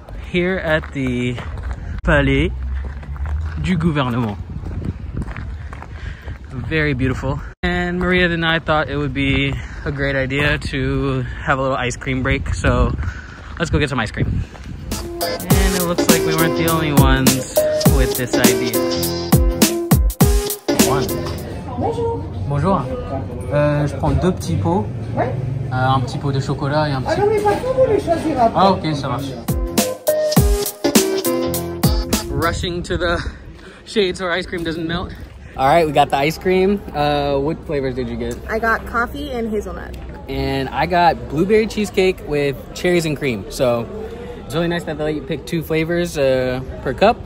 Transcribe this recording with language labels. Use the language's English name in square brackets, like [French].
[English] Here at the Palais du Gouvernement. Very beautiful. And Maria and I thought it would be a great idea to have a little ice cream break. So let's go get some ice cream. And it looks like we weren't the only ones with this idea. One. [French] Bonjour. Bonjour. Je prends deux petits pots. Oui. un petit pot de chocolat et un petit. Ah non, mais par contre, vous les choisirez après. Ah, ok, ça marche. [English] Rushing to the shades where ice cream doesn't melt. All right, we got the ice cream. What flavors did you get? I got coffee and hazelnut. And I got blueberry cheesecake with cherries and cream. So it's really nice that they let you pick two flavors per cup.